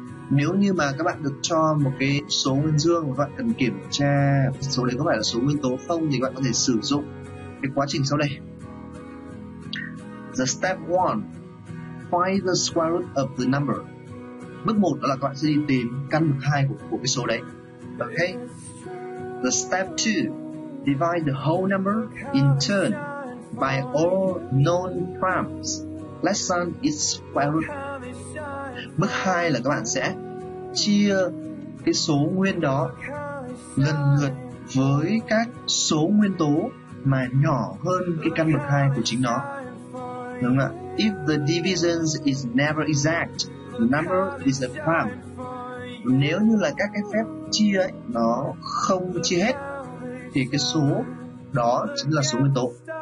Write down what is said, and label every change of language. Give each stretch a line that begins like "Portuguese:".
Vietnamese: Nếu như mà các bạn được cho một cái số nguyên dương và bạn cần kiểm tra số đấy có phải là số nguyên tố không thì bạn có thể sử dụng cái quá trình sau đây.
English: The step 1, find the square root of the number.
Vietnamese: Bước 1 đó là các bạn sẽ đi tìm căn bậc 2 của cái số đấy.
English: Okay. The step 2, divide the whole number in turn by all known primes less than its square root.
Vietnamese: Bước 2 là các bạn sẽ chia cái số nguyên đó lần lượt với các số nguyên tố mà nhỏ hơn cái căn bậc 2 của chính nó. Đúng không ạ?
English: If the division is never exact, the number is a prime.
Vietnamese: Nếu như là các cái phép chia ấy, nó không chia hết thì cái số đó chính là số nguyên tố.